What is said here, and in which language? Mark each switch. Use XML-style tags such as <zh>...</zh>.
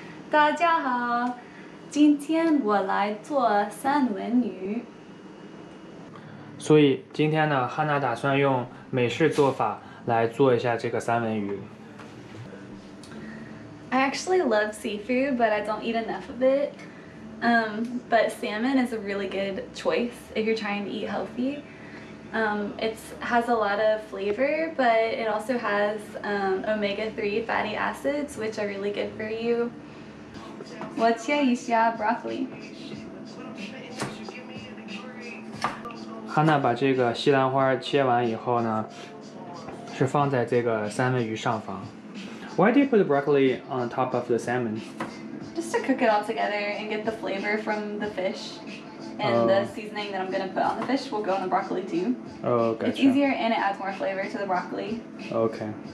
<zh>大家好，今天我来做三文鱼。所以今天呢，汉娜打算用美式做法来做一下这个三文鱼。</zh> <en>I actually love seafood, but I don't eat enough of it. But salmon is a really good choice if you're trying to eat healthy. It has a lot of flavor, but it also has omega-3 fatty acids, which are really good for you.</en> <zh>我切一下 broccoli。汉娜把这个西兰花切完以后呢，是放在这个三文鱼上方。</zh> <en>Why do you put the broccoli on top of the salmon? Just to cook it all together and get the flavor from the fish. And the seasoning that I'm going to put on the fish will go on the broccoli too. Oh, gotcha. It's easier and it adds more flavor to the broccoli. Okay.</en>